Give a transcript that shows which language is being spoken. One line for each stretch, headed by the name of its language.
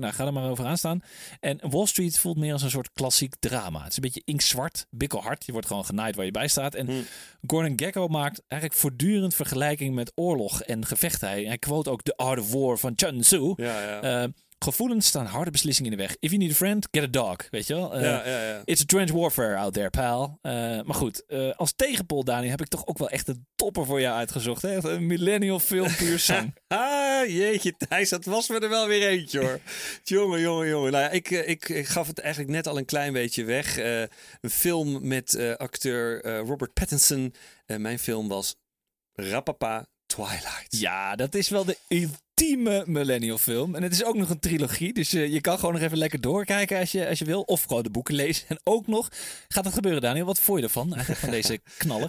Dutch: Nou, ga er maar over aan staan. En Wall Street voelt meer als een soort klassiek drama. Het is een beetje inktzwart, bikkelhard. Je wordt gewoon genaaid waar je bij staat. En Gordon Gekko maakt eigenlijk voortdurend vergelijking met oorlog en gevechten. Hij quote ook The Art of War van Chun Tzu. Ja, ja. Gevoelens staan harde beslissingen in de weg.
English: If you need a friend, get a dog.
Dutch: Weet je wel?
English: It's a trench warfare out there, pal.
Dutch: Maar goed, als tegenpol, Dani, heb ik toch ook wel echt een topper voor jou uitgezocht. Hè? Een millennial film, puur zang. Jeetje, Thijs, dat was me er wel weer eentje, hoor. Jongen. Nou ja, ik gaf het eigenlijk net al een klein beetje weg. Een film met acteur Robert Pattinson. Mijn film was Rapapa Twilight. Ja, dat is wel de ultieme millennial film. En het is ook nog een trilogie, dus je kan gewoon nog even lekker doorkijken als je wil. Of gewoon de boeken lezen. En ook nog, gaat dat gebeuren, Daniel? Wat vond je ervan, van deze knaller?